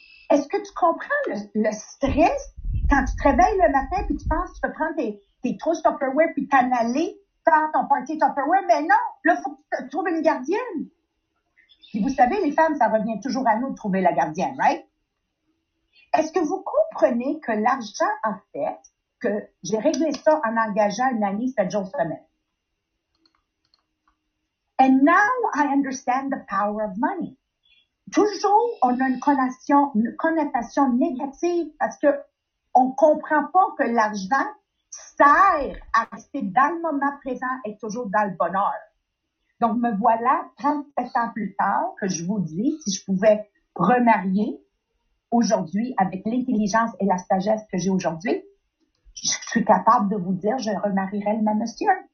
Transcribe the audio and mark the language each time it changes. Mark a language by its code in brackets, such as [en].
[fr] Est-ce que tu comprends le stress quand tu te réveilles le matin puis tu penses que tu peux prendre tes trousses Tupperware puis t'en aller faire ton party Tupperware? Mais non, là, il faut que tu trouves une gardienne. Puis vous savez, les femmes, ça revient toujours à nous de trouver la gardienne, right? Est-ce que vous comprenez que l'argent a fait que j'ai réglé ça en engageant une amie 7 jours semaine? [en] And now I understand the power of money. [fr] Toujours, on a une connotation négative parce que on comprend pas que l'argent sert à rester dans le moment présent et toujours dans le bonheur. Donc, me voilà 37 ans plus tard que je vous dis si je pouvais remarier aujourd'hui avec l'intelligence et la sagesse que j'ai aujourd'hui, je suis capable de vous dire je remarierais le même monsieur.